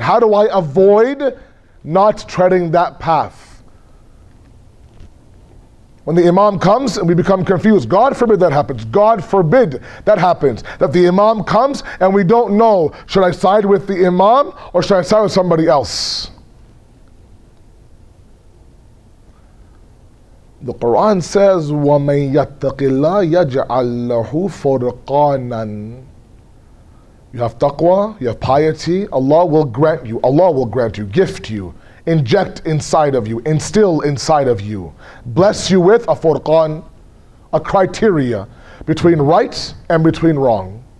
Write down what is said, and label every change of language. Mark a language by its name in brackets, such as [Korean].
[English] How do I avoid not treading that path? When the Imam comes and we become confused, God forbid that happens. God forbid that happens. That the Imam comes and we don't know, should I side with the Imam or should I side with somebody else? The Quran says, [Arabic] وَمَن يَتَّقِ اللَّهِ يَجْعَلْ لَهُ فُرْقَانًا. [English] You have taqwa, you have piety, Allah will grant you, Allah will grant you, gift you, inject inside of you, instill inside of you, bless you with a furqan, a criteria between right and between wrong.